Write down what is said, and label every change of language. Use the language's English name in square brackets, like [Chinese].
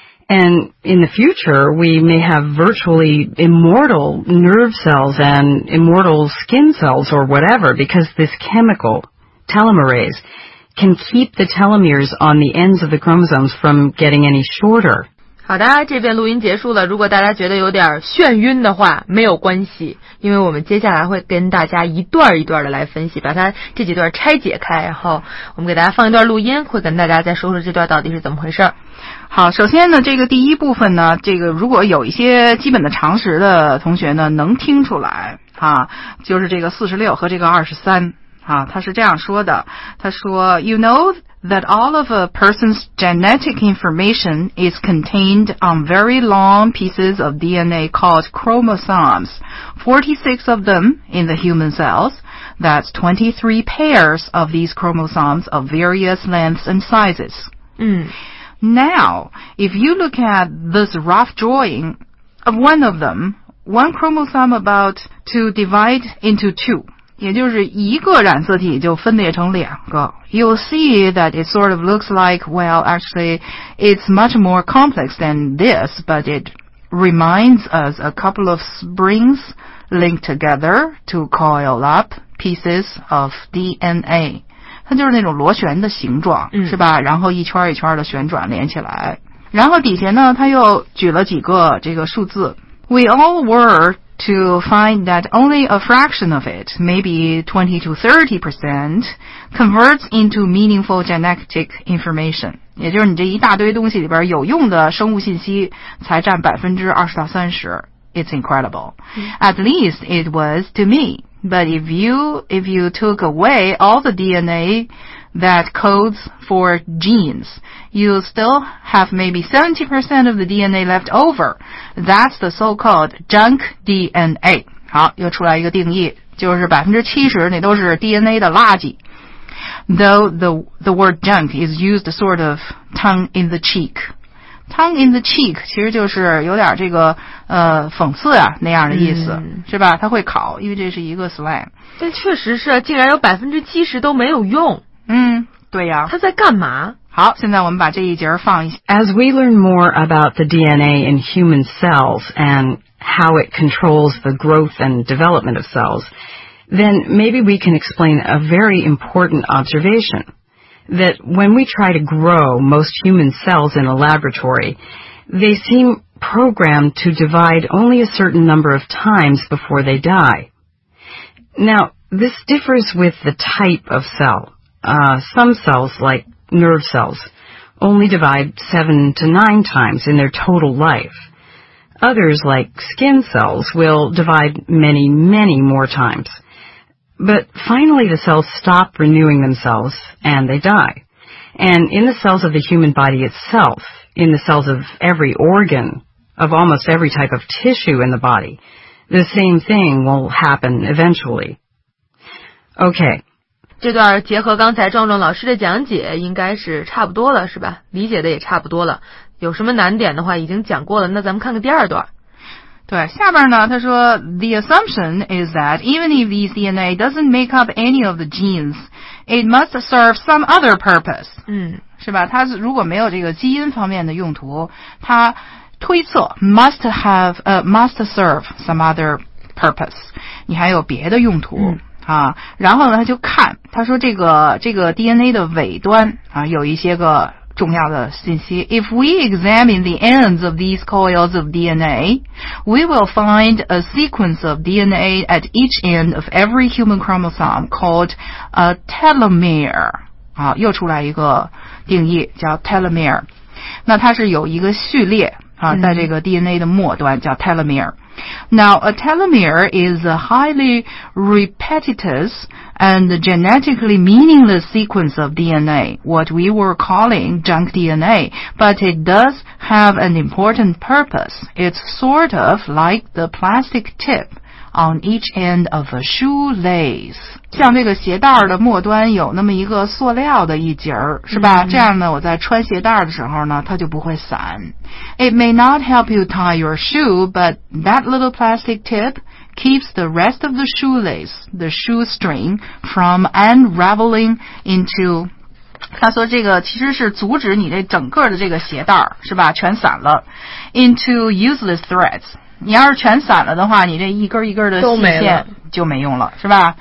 [English] And in the future, we may have virtually immortal nerve cells and immortal skin cells or whatever, because this chemical, telomerase, can keep the telomeres on the ends of the chromosomes from getting any shorter. [Chinese] 好的，这边录音结束了。如果大家觉得有点眩晕的话，没有关系，因为我们接下来会跟大家一段一段的来分析，把它这几段拆解开，然后我们给大家放一段录音，会跟大家再说说这段到底是怎么回事。好，首先呢，这个第一部分呢，这个如果有一些基本的常识的同学呢，能听出来啊，就是这个46和这个23。啊，他是这样说的，他说 [English] You know that all of a person's genetic information is contained on very long pieces of DNA called chromosomes, 46 of them in the human cells, that's 23 pairs of these chromosomes of various lengths and sizes. Now, if you look at this rough drawing of one of them, one chromosome about to divide into two, [Chinese] 也就是一个染色体就分裂成两个。 [English] You'll see that it sort of looks like, well, actually, it's much more complex than this, but it reminds us a couple of springs linked together to coil up pieces of DNA. [Chinese] 它就是那种螺旋的形状，是吧？然后一圈一圈的旋转连起来。然后底下呢，它又举了几个这个数字。 [English] We all were... to find that only a fraction of it, maybe 20-30%, converts into meaningful genetic information. [Chinese] 也就是你这一大堆东西里边有用的生物信息才占 20-30%. [English] It's incredible. At least it was to me. But if you took away all the DNA that codes for genes, you still have maybe 70% of the DNA left over. That's the so-called junk DNA. [Chinese] 好，又出来一个定义，就是 70% 那都是 DNA 的垃圾。 [English] Though the word junk is used sort of tongue-in-the-cheek. Tongue-in-the-cheek [Chinese] 其实就是有点这个讽刺啊那样的意思，是吧？它会考，因为这是一个 slang。但确实是，竟然有 70% 都没有用。对呀，他在干嘛？好，现在我们把这一节放一下。 [English] As we learn more about the DNA in human cells and how it controls the growth and development of cells, then maybe we can explain a very important observation, that when we try to grow most human cells in a laboratory, they seem programmed to divide only a certain number of times before they die. Now, this differs with the type of cell. Some cells, like nerve cells, only divide 7-9 times in their total life. Others, like skin cells, will divide many, many more times. But finally, the cells stop renewing themselves, and they die. And in the cells of the human body itself, in the cells of every organ, of almost every type of tissue in the body, the same thing will happen eventually. Okay. [Chinese] 这段结合刚才壮壮老师的讲解应该是差不多了，是吧？理解的也差不多了。有什么难点的话已经讲过了，那咱们看看第二段。对，下边呢，他说 [English] The assumption is that even if these DNA doesn't make up any of the genes, it must serve some other purpose. [Chinese] 是吧？它如果没有这个基因方面的用途，它推测 [English] must serve some other purpose. [Chinese] 你还有别的用途。啊，然后呢，他就看，他说这个 DNA 的尾端啊，有一些个重要的信息。 [English] If we examine the ends of these coils of DNA, we will find a sequence of DNA at each end of every human chromosome called a telomere. [Chinese] 好，又出来一个定义叫 telomere。那它是有一个序列啊，在这个 DNA 的末端叫 telomere。 [English] Now, a telomere is a highly repetitious and genetically meaningless sequence of DNA, what we were calling junk DNA, but it does have an important purpose. It's sort of like the plastic tip on each end of a shoelace. [Chinese] 像这个鞋带的末端有那么一个塑料的一节是吧、mm-hmm. 这样呢我在穿鞋带的时候呢它就不会散。 [English] It may not help you tie your shoe, but that little plastic tip keeps the rest of the shoelace, the shoestring, from unraveling into... [Chinese] 他说这个其实是阻止你这整个的这个鞋带是吧全散了。 [English] Into useless threads. [Chinese] 你要是全散了的话你这一根一根的细线就没用 了是吧、